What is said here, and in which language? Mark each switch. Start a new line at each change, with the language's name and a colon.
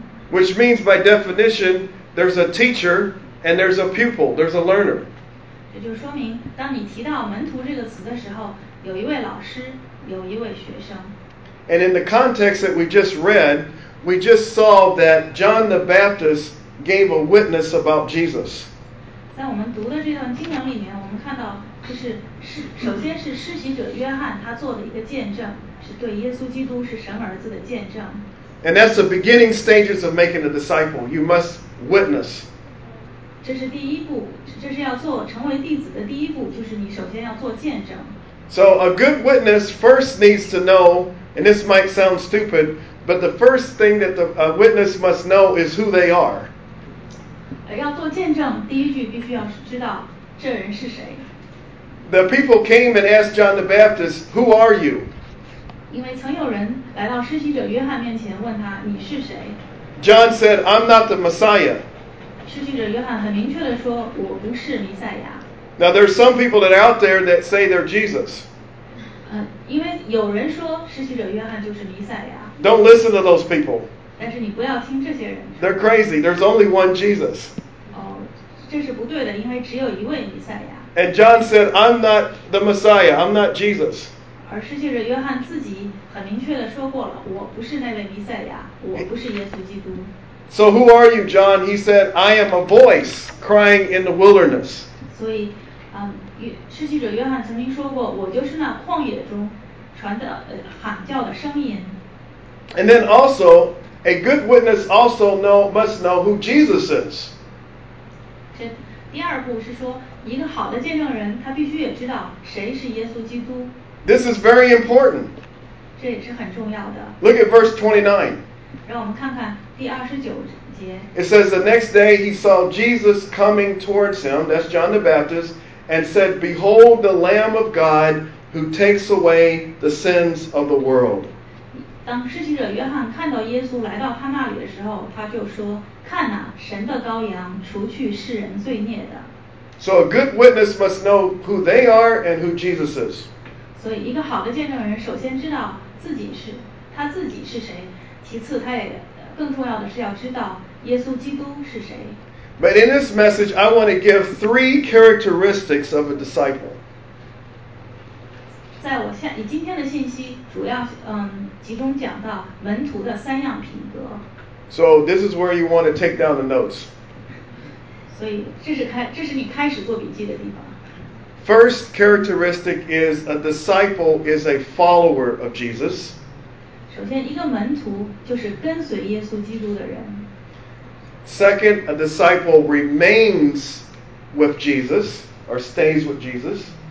English: Which means by definition, there's a teacher and there's a pupil, there's a learner.
Chinese: 也就说明，当你提到门徒这个词的时候，有一位老师，有一位学生。
English: And in the context that we just read, we just saw that John the Baptist gave a witness about Jesus.
Chinese: 在我们读的这段经文里面，我们看到就是首先是施洗者约翰他做的一个见证，是对耶稣基督是神儿子的见证。
English: And that's the beginning stages of making a disciple. You must witness.
Chinese: 这是第一步，这是要做成为弟子的第一步，就是你首先要做见证。
English: So a good witness first needs to know, and this might sound stupid, but the first thing that a witness must know is who they are.
Chinese: 要做见证，第一句必须要知道这人是谁。
English: The people came and asked John the Baptist, "Who are you?"
Chinese: 因为曾有人来到施洗者约翰面前问他，你是谁？
English: John said, "I'm not the Messiah."
Chinese: 施洗者约翰很明确地说，我不是弥赛亚。
English: Now there's some people that are out there that say they're Jesus.
Chinese: 因为有人说施洗者约翰就是弥赛亚。
English: Don't listen to those people.
Chinese: 但是你不要听这些人。
English: They're crazy. There's only one Jesus.
Chinese: 这是不对的，因为只有一位弥赛亚。
English: And John said, "I'm not the Messiah. I'm not Jesus."
Chinese: 而施洗者约翰自己很明确地说过了，我不是那位弥赛亚，我不是耶稣基督。
English: So who are you, John? He said, "I am a voice crying in the wilderness."
Chinese: 所以，施洗者约翰曾经说过，我就是那旷野中传的喊叫的声音。
English: And then also, a good witness also must know who Jesus is.
Chinese: 这第二步是说，一个好的见证人，他必须也知道谁是耶稣基督。
English: This is very important.
Chinese: 这也是很重要的。
English: Look at verse 29.
Chinese: 让我们看看第二十九。
English: It says, the next day he saw Jesus coming towards him, that's John the Baptist, and said, "Behold the Lamb of God who takes away the sins of the world."
Chinese: 当施洗者约翰看到耶稣来到他那里的时候，他就说，看哪，神的羔羊，除去世人罪孽的。
English: So a good witness must know who they are and who Jesus is.
Chinese: 所以一个好的见证人首先知道自己是，他自己是谁，其次他也更重要的是要知道耶稣基督是谁。
English: But in this message, I want to give three characteristics of a disciple.
Chinese: 在我下以今天的信息主要集中讲到门徒的三样品格。
English: So this is where you want to take down the notes.
Chinese: 所以这是你开始做笔记的地方。
English: First characteristic is a disciple is a follower of Jesus.
Chinese: 首先，一个门徒就是跟随耶稣基督的人。
English: Second, a disciple remains with Jesus or stays with Jesus.